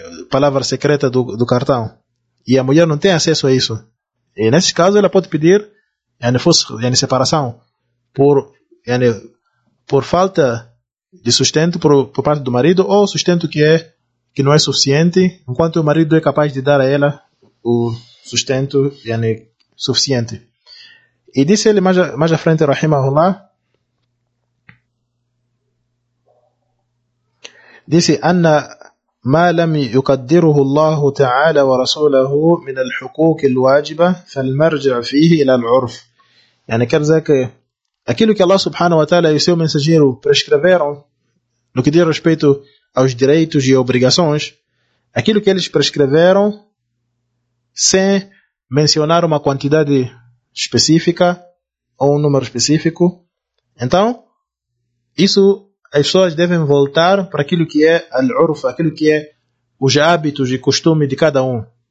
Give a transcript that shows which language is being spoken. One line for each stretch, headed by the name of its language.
Portuguese: palavra secreta do cartão, e a mulher não tem acesso a isso, e nesse caso ela pode pedir separação por falta de sustento por parte do marido, ou sustento que não é suficiente, enquanto o marido é capaz de dar a ela o sustento suficiente. E disse ele mais à frente, rahimahullah, disse:
Arabic: Anna ما لم يقدره الله تعالى ورسوله من الحقوق الواجبة فالمرجع فيه إلى العرف.
Portuguese: Quer dizer que aquilo que Allah subhanahu wa ta'ala e seu mensageiro prescreveram no que diz respeito aos direitos e obrigações, aquilo que eles prescreveram sem mencionar uma quantidade específica ou um número específico, então isso as pessoas devem voltar para aquilo que é al-urf, aquilo que é os hábitos e costumes de cada um.